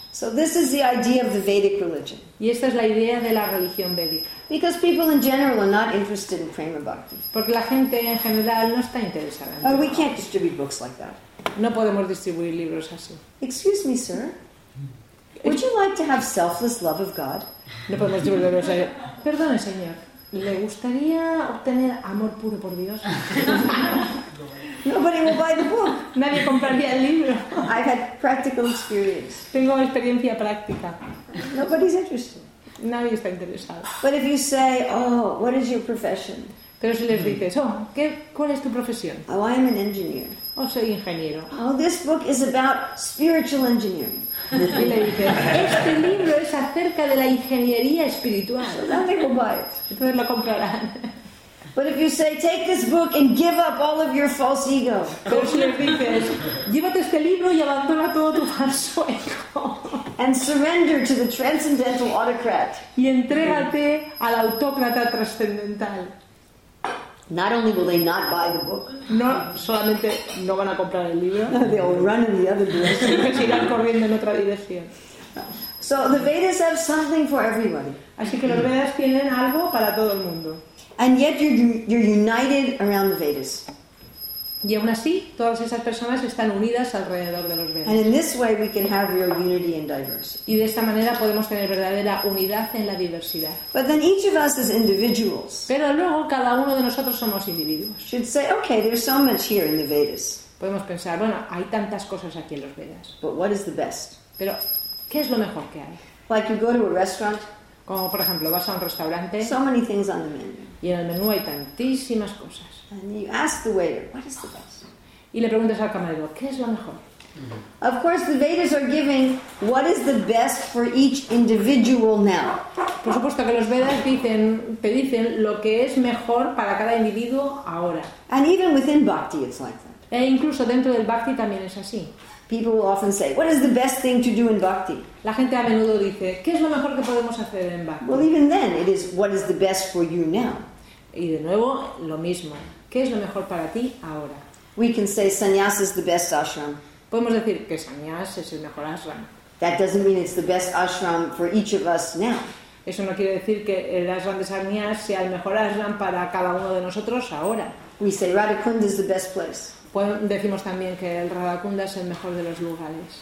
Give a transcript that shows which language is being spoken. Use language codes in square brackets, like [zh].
[en] So this is the idea of the Vedic religion. [es] Y esta es la idea de la religión védica. [en] Because people in general are not interested in prema bhakti. [es] Porque la gente en general no está interesada. [en] Oh, we can't distribute books like that. [es] No podemos distribuir libros así. [en] Excuse me, sir. Would you like to have selfless love of God? [es] No podemos distribuir libros así. Perdone, señor. ¿Le gustaría obtener amor puro por Dios? [en] Nobody will buy the book. [es] Nadie compraría el libro. [en] I've had practical experience. [es] Tengo experiencia práctica. [en] Nobody's interested. [es] Nadie está interesado. [en] But if you say, oh, what is your profession? [es] Pero si les dices, oh, ¿cuál es tu profesión? [en] Oh, I am an engineer. [es] Oh, soy ingeniero. [en] Oh, this book is about spiritual engineering. [es] Y le dice, este libro es acerca de la ingeniería espiritual. [en] So they will buy it. [es] Entonces lo comprarán. [en] But if you say, take this book and give up all of your false ego. [es] Pero si les dices, llévate este libro y abandona todo tu falso ego. [en] And surrender to the transcendental autocrat. [es] Y entrégate al autócrata trascendental. [en] Not only will they not buy the book. [es] No, solamente no van a comprar el libro. [en] They will run in the other direction. [es] Seguirán corriendo en otra dirección. [en] So the Vedas have something for everybody. [es] Así que los Vedas tienen algo para todo el mundo. [en] And yet you're united around the Vedas. [es] Y aún así, todas esas personas están unidas alrededor de los Vedas. [en] And in this way, we can have real unity and diversity. [es] Y de esta manera podemos tener verdadera unidad en la diversidad. [en] But then each of us as individuals. [es] Pero luego cada uno de nosotros somos individuos. [en] Should say, okay, there's so much here in the Vedas. [es] Podemos pensar, bueno, hay tantas cosas aquí en los Vedas. [en] But what is the best? [es] Pero ¿qué es lo mejor que hay? [en] Like you go to a restaurant. [es] Como por ejemplo, vas a un restaurante. [en] So many things on the menu. [es] Y en el menú hay tantísimas cosas. [en] And you ask the waiter, what is the best? [es] Y le preguntas al camarero, ¿qué es lo mejor? [en] Of course, the Vedas are giving what is the best for each individual now. [es] Por supuesto que los Vedas te dicen lo que es mejor para cada individuo ahora. [en] And even within bhakti, it's like that. [es] E incluso dentro del bhakti también es así. [en] People will often say, "What is the best thing to do in bhakti?" [es] La gente a menudo dice, ¿qué es lo mejor que podemos hacer en bhakti? [en] Well, even then, it is what is the best for you now. [es] Y de nuevo, lo mismo. ¿Qué es lo mejor para ti ahora? [en] We can say sannyas is the best ashram. [es] Podemos decir que sannyas es el mejor ashram. [en] That doesn't mean it's the best ashram for each of us now. [es] Eso no quiere decir que el ashram de sannyas sea el mejor ashram para cada uno de nosotros ahora. [en] We say Radhakunda is the best place. [es] Decimos también que el Radhakunda es el mejor de los lugares.